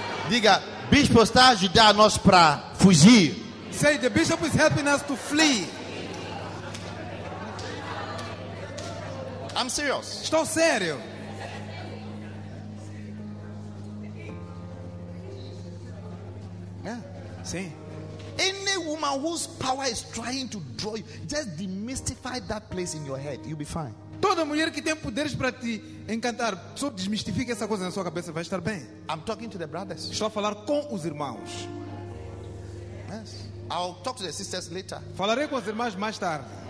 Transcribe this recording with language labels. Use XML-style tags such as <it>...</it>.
<pt>Diga, bispo está ajudando a nós para fugir.</pt> <en>Say, the bishop is helping us to flee. I'm serious.</en> <pt>Estou sério. Sim.</pt> <en>Any woman whose power is trying to draw you, just demystify that place in your head. You'll be fine.</en> <pt>Toda mulher que tem poderes para te encantar, só desmistifique essa coisa na sua cabeça, vai estar bem.</pt> <en>I'm talking to the brothers.</en> <pt>Estou a falar com os irmãos.</pt> <en>Yes. I'll talk to the sisters later.</en> <pt>Falarei com as irmãs mais tarde.</pt>